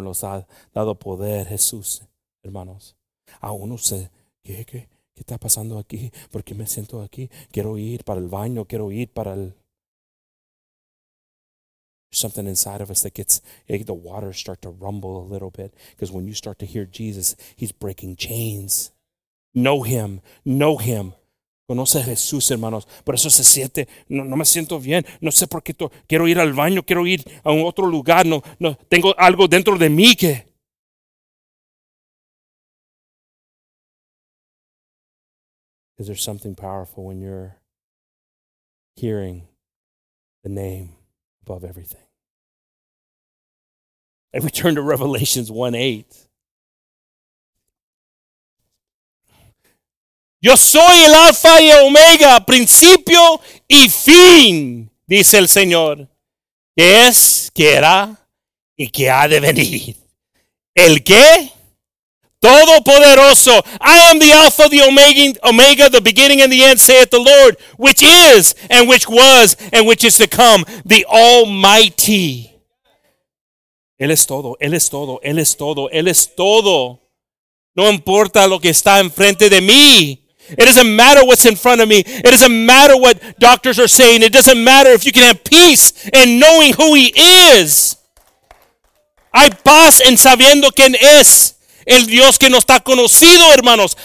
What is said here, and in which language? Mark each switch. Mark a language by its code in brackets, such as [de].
[es] Nos ha dado poder, Jesús, hermanos. Aún no sé qué está pasando aquí. ¿Por qué me siento aquí? Quiero ir para el baño. Quiero ir para el... [en] Something inside of us that gets, the water start to rumble a little bit. Because when you start to hear Jesus, he's breaking chains. Know him. Know him. [es] Conoce a Jesús, hermanos. Por eso se siente, no me siento bien. No sé por qué quiero ir al baño, quiero ir a un otro lugar. No tengo algo dentro de mí que... [en] Is there something powerful when you're hearing the name above everything? If we turn to Revelations 1:8. [es] Yo soy el Alfa y Omega, principio y fin, dice el Señor, que es, que era y que ha de venir. ¿El qué? Todopoderoso. [en] I am the Alpha, the Omega, the beginning and the end, saith the Lord, which is and which was and which is to come, the Almighty. [es] Él es todo, Él es todo, Él es todo, Él es todo. No importa lo que está enfrente de mí. [en] It doesn't matter what's in front of me. It doesn't matter what doctors are saying. It doesn't matter if you can have peace in knowing who he is. [es] Hay paz en sabiendo quién es el Dios que no está conocido, hermanos.